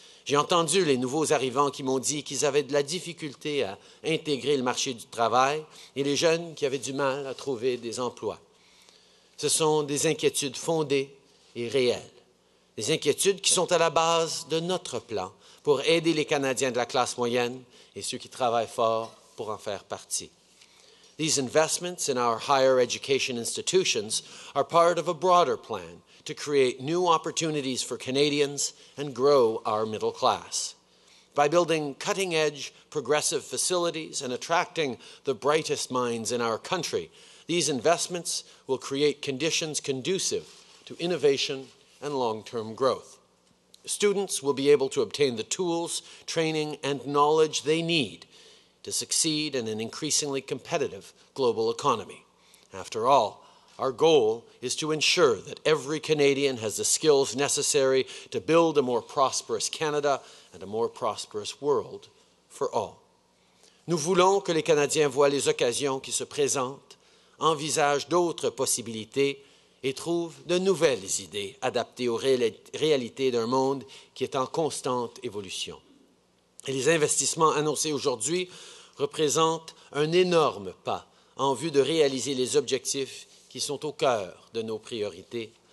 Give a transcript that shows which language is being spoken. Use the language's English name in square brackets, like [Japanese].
[French] J'ai entendu les nouveaux arrivants qui m'ont dit qu'ils avaient de la difficulté à intégrer le marché du travail et les jeunes qui avaient du mal à trouver des emplois. ce sont des inquiétudes fondées et réelles. Des inquiétudes qui sont à la base de notre plan pour aider les Canadiens de la classe moyenne et ceux qui travaillent fort pour en faire partie. [English] These investments in our higher education institutions are part of a broader plan to create new opportunities for Canadians and grow our middle class. By building cutting-edge, progressive facilities and attracting the brightest minds in our country, these investments will create conditions conducive to innovation and long-term growth. Students will be able to obtain the tools, training, and knowledge they need to succeed in an increasingly competitive global economy. After all, our goal is to ensure that every Canadian has the skills necessary to build a more prosperous Canada and a more prosperous world for all. [French] Nous voulons que les Canadiens voient les occasions qui se présentent, envisagent d'autres possibilités et trouvent de nouvelles idées adaptées aux réalités d'un monde qui est en constante évolution. Et les investissements annoncés aujourd'hui représentent un énorme pas en vue de réaliser les objectifs qui sont au cœur de nos priorités.